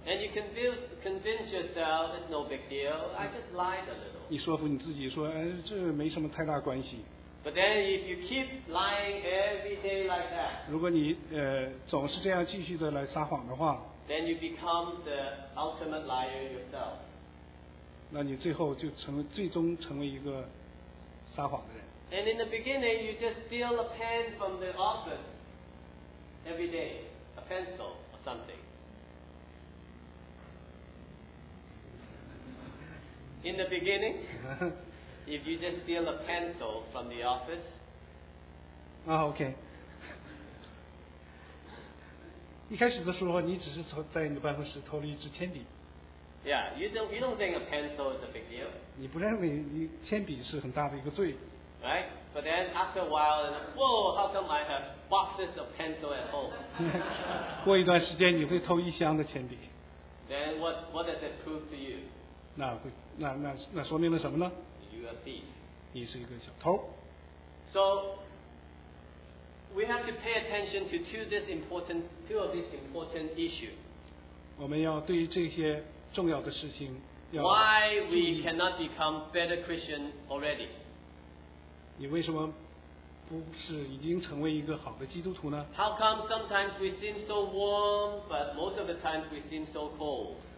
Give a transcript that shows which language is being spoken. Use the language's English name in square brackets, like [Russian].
[English] And you can convince yourself it's no big deal. I just lied a little. [Chinese] 你说服你自己说，这没什么太大关系。 [English] But then, if you keep lying every day like that, [Chinese] 如果你总是这样继续的来撒谎的话。 [English] Then you become the ultimate liar yourself. [Chinese] 那你最后就最终成为一个撒谎的人。 [English] And in the beginning, you just steal a pen from the office every day, a pencil or something. In the beginning, if you just steal a pencil from the office. Ah, okay. [Chinese] 一开始的时候你只是在你的办公室偷了一支铅笔。 [English] Yeah, you don't think a pencil is a big deal. [Chinese] 你不认为铅笔是很大的一个罪。 [English] Right? But then after a while, whoa, how come I have boxes of pencil at home? [Chinese] 过一段时间你会偷一箱的铅笔。 [English] Then what does that prove to you? [Chinese] 那说明了什么呢？ [English] You're a thief. [Chinese] 你是一个小偷。 [English] So,We have to pay attention to two of these important issues. [Chinese] 我们要对于这些重要的事情要注 [English] 意。Why we cannot become better Christian already? [Chinese] 你为什么不是已经成为一个好的基督徒呢？ [English] How come sometimes we seem so warm, but most of the times we seem so cold?